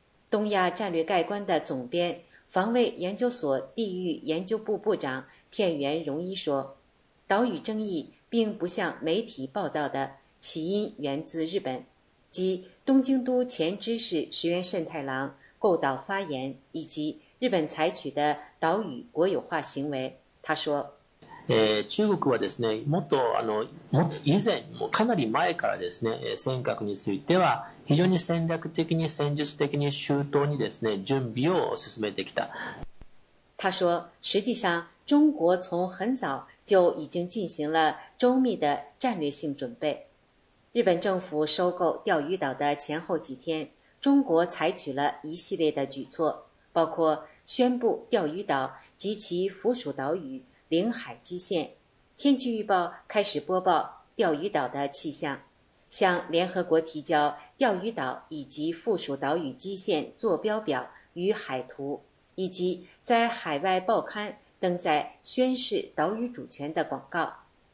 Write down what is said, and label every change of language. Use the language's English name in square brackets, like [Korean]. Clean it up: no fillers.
[Chinese] 东亚战略概观的总编、防卫研究所地域研究部部长片原荣一说，岛屿争议并不像媒体报道的，起因源自日本，即东京都前知事石原慎太郎构岛发言以及日本采取的岛屿国有化行为。他说， [Japanese] 中国はですね、もっと以前、もうかなり前からですね、尖閣については非常に戦略的に戦術的に周到にですね、準備を進めてきた。 [Chinese] 他说，实际上中国从很早就已经进行了周密的战略性准备。日本政府收购钓鱼岛的前后几天，中国采取了一系列的举措，包括宣布钓鱼岛及其附属岛屿领海基线，天气预报开始播报钓鱼岛的气象，向联合国提交钓鱼岛以及附属岛屿基线坐标表与海图，以及在海外报刊登载宣示岛屿主权的广告。